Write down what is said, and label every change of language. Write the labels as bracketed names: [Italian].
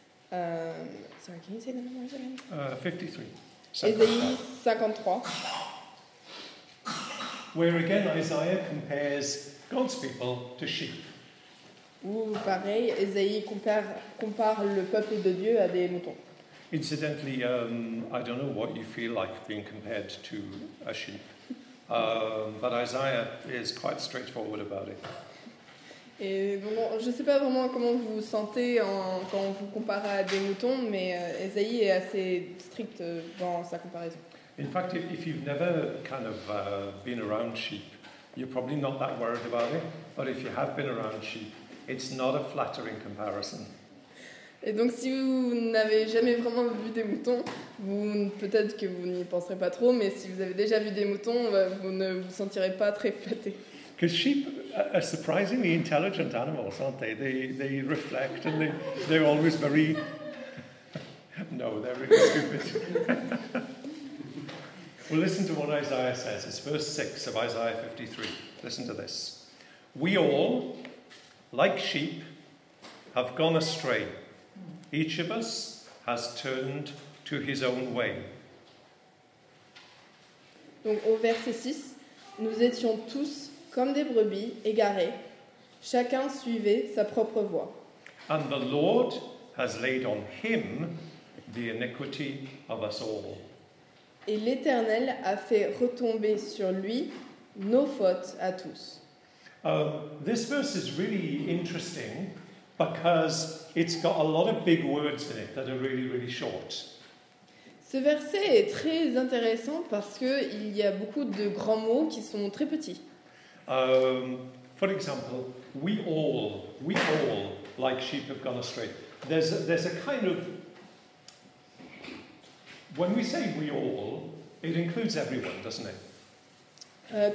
[English] Sorry, can you say the number again? 53. [French] Ésaïe 53. [English] Where again Isaiah compares God's people to sheep. [French] Où pareil, Ésaïe compare le peuple de Dieu à des moutons. [English] Incidentally, I don't know what you feel like being compared to a sheep, but Isaiah is quite straightforward about it. [French] Et bon, je sais pas vraiment comment vous vous sentez quand vous comparez à des moutons, mais Ésaïe est assez strict dans sa comparaison. [English] In fact, if you've never kind of been around sheep, you're probably not that worried about it. But if you have been around sheep, it's not a flattering comparison. [French] Et donc, si vous n'avez jamais vraiment vu des moutons, peut-être que vous n'y penserez pas trop, mais si vous avez déjà vu des moutons, vous ne vous sentirez pas très flatté. Parce que [English] sheep are surprisingly intelligent animals, aren't they? They reflect and they're always very. No, they're really stupid. Well, listen to what Isaiah says. It's verse 6 of Isaiah 53. Listen to this. We all, like sheep, have gone astray. Each of us has turned to his own way. [French] Donc au verset 6, nous étions tous comme des brebis égarés. Chacun suivait sa propre voie. [English] And the Lord has laid on him the iniquity of us all. [French] Et l'Éternel a fait retomber sur lui nos fautes à tous. [English] This verse is really interesting. Because it's got a lot of big words in it that are really, really short. [French] Ce verset est très intéressant parce que il y a beaucoup de grands mots qui sont très petits. [English] For example, we all, like sheep, have gone astray. There's a kind of when we say we all, it includes everyone, doesn't it?